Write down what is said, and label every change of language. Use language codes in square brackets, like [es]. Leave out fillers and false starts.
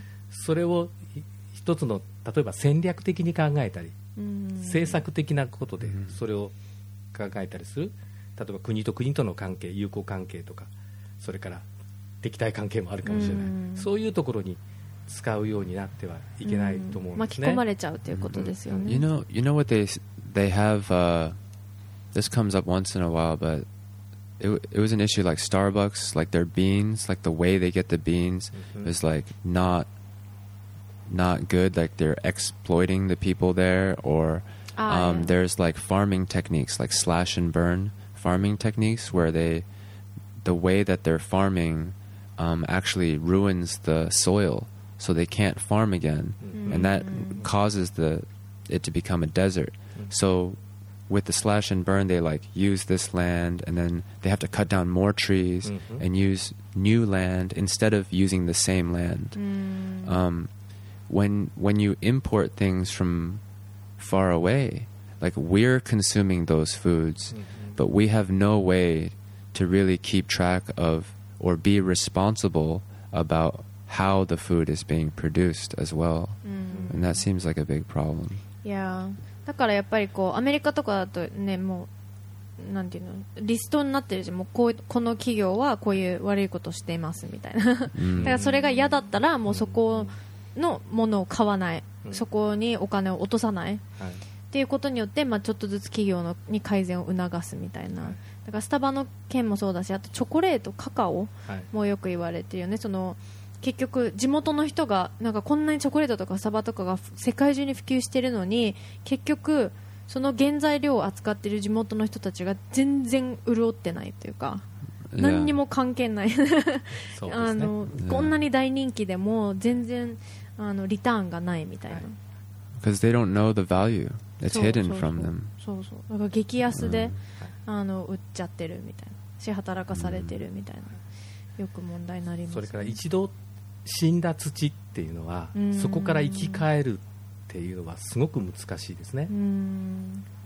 [ja] それを一つの例えば戦略的に考えたり、うん、政策的なことでそれを考えたりする、例えば国と国との関係、友好関係とか、それから敵対関係もあるかもしれない、うん、そういうところに使うようになってはいけないと思うんですね、巻き込まれちゃうということですよね、う [en] ん、you know what they have this comes up once in a while, but it was an issue like Starbucks, like their beans, like the way they get the beans is like not good, like they're exploiting the people there, or there's like farming techniques, like slash and burn farming techniques, where the way that they're farming actually ruins the soil, so they can't farm again, and that causes it to become a desert. So with the slash and burn, they like use this land and then they have to cut down more trees mm-hmm. and use new land instead of using the same land. Mm. When you import things from far away, like we're consuming those foods, mm-hmm. but we have no way to really keep track of or be responsible about how the food is being produced as well. Mm-hmm. And that seems like a big problem. Yeah. [ja] だからやっぱりこうアメリカとかだとねもうなんていうのリストになってるじゃんもう この企業はこういう悪いことしていますみたいなだからそれが嫌だったらもうそこのものを買わない、うん、そこにお金を落とさない、はい、っていうことによって、まあ、ちょっとずつ企業のに改善を促すみたいな、はい、だからスタバの件もそうだしあとチョコレートカカオもよく言われてるよね、はい、その結局地元の人がなんかこんなにチョコレートとかサバとかが世界中に普及してるのに結局その原材料を扱ってる地元の人たちが全然潤ってないというか何にも関係ない、 yeah. あの、 yeah. こんなに大人気でも全然あのリターンがないみたいな [en] Because they don't know the value It's hidden from them [ja] そうそうだから激安で、mm. あの売っちゃってるみたいな支払かされてるみたいな、mm. よく問題になります、ね、それから一度死んだ土っていうのはうそこから生き返るっていうのはすごく難しいですねうん